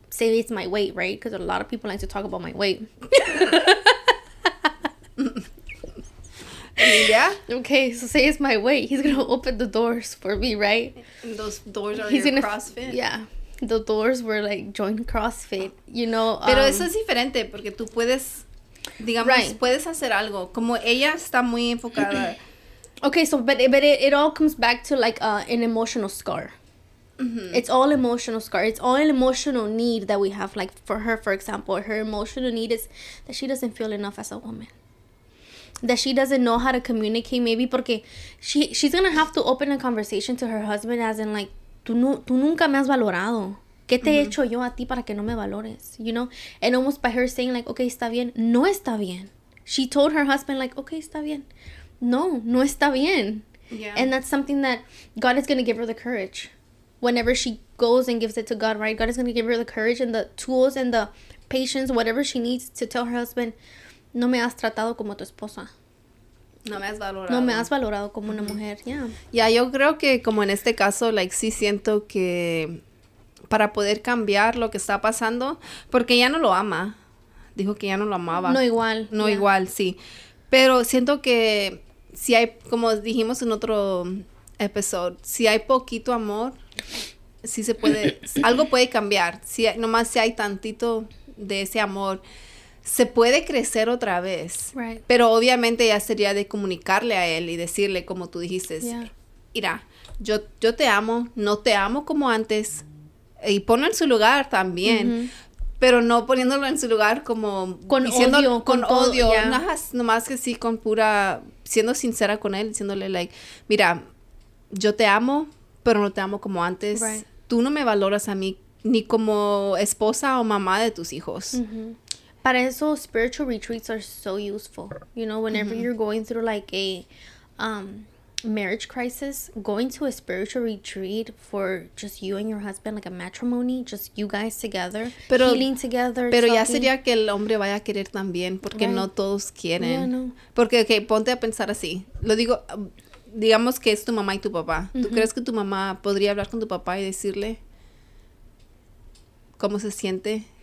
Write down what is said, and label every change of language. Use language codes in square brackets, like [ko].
[en] Say it's my weight, right? Because a lot of people like to talk about my weight. Yeah. Okay, so say it's my way. He's going to open the doors for me, right? And those doors are he's your gonna, CrossFit. Yeah. The doors were like join CrossFit, you know. [es] Pero eso es diferente porque tú puedes, digamos, right. puedes hacer algo. Como ella está muy enfocada. [en] Okay, so but it all comes back to like an emotional scar. Mm-hmm. It's all emotional scar. It's all an emotional need that we have. Like for her, for example, her emotional need is that she doesn't feel enough as a woman. That she doesn't know how to communicate, maybe, porque she's going to have to open a conversation to her husband, as in, like, [es] tú nunca me has valorado. ¿Qué te mm-hmm. he hecho yo a ti para que no me valores? [en] You know? And almost by her saying, like, okay, [es] está bien. No está bien. [en] She told her husband, like, okay, [es] está bien. No está bien. [en] Yeah. And that's something that God is going to give her the courage. Whenever she goes and gives it to God, right? God is going to give her the courage and the tools and the patience, whatever she needs to tell her husband, [es] no me has tratado como tu esposa. No me has valorado. No me has valorado como una mujer, ya. Yeah. Ya, yeah, yo creo que como en este caso, like, sí siento que para poder cambiar lo que está pasando, porque ya no lo ama. Dijo que ya no lo amaba. No igual. No yeah. igual, sí. Pero siento que si hay, como dijimos en otro episodio, si hay poquito amor, sí se puede, algo puede cambiar. Si hay, nomás si hay tantito de ese amor, se puede crecer otra vez. [en] Right. [es] Pero obviamente ya sería de comunicarle a él y decirle, como tú dijiste, [en] yeah. [es] mira, yo te amo, no te amo como antes. Y ponlo en su lugar también. Mm-hmm. pero no poniéndolo en su lugar, como con diciendo, odio, con odio, yeah. Nomás que sí, con pura, siendo sincera con él, diciéndole like, mira, yo te amo, pero no te amo como antes, right. Tú no me valoras a mí ni como esposa o mamá de tus hijos. [en] Mm-hmm. [es] Para eso [en] spiritual retreats are so useful, you know, whenever mm-hmm. you're going through like a marriage crisis, going to a spiritual retreat for just you and your husband, like a matrimony, just you guys together, pero, healing together. [es] Pero talking. Ya sería que el hombre vaya a querer también, porque right. no todos quieren. Yeah, no. Porque, okay, ponte a pensar así. Lo digo, digamos que es tu mamá y tu papá. Mm-hmm. ¿Tú crees que tu mamá podría hablar con tu papá y decirle cómo se siente?